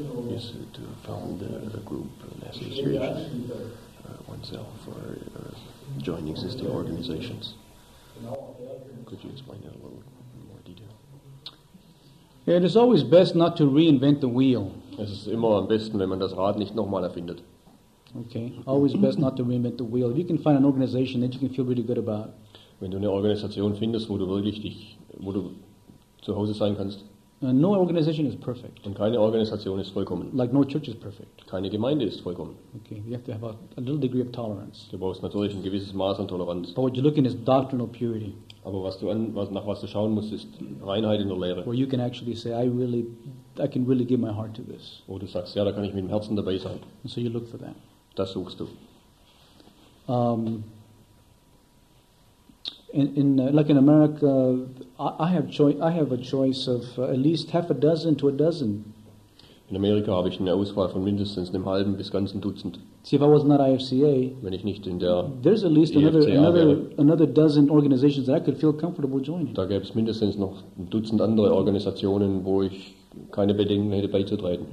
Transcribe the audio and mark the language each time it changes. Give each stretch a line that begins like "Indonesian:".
English: Yes, to found a group, an association, oneself, or join existing organizations. Could you explain that a little in more detail? It is always best not to reinvent the wheel.
German: Es ist immer am besten, wenn man das Rad nicht nochmal erfindet.
English: Okay, always best not to reinvent the wheel. If you can find an organization that you can feel really good about.
German: Wenn du eine Organisation findest, wo du wirklich dich, wo du zu Hause sein kannst.
English: No organization is perfect.
German: Und keine Organisation ist vollkommen.
English: Like no church is perfect.
German: Keine Gemeinde ist vollkommen.
English: Okay, you have to have a little degree of tolerance.
German: Du brauchst natürlich ein gewisses Maß an Toleranz.
English: But what you're looking is doctrinal purity.
German: Aber was du an, was, nach was du schauen musst, ist Reinheit in der Lehre.
English: Where you can actually say, I can really give my heart to this.
German: Wo du sagst, ja, da kann ich mit dem Herzen dabei sein.
English: And so you look for that.
German: Das suchst du.
English: In America, I have a choice of at least half a dozen to a dozen.
German: In Amerika habe ich eine Auswahl von mindestens einem halben bis ganzen Dutzend.
English: See, if I was not IFCA,
German: wenn ich nicht in der
English: there's at least another dozen organizations that I could feel comfortable joining.
German: Da gäbe es mindestens noch ein Dutzend andere Organisationen, wo ich keine Bedenken hätte beizutreten.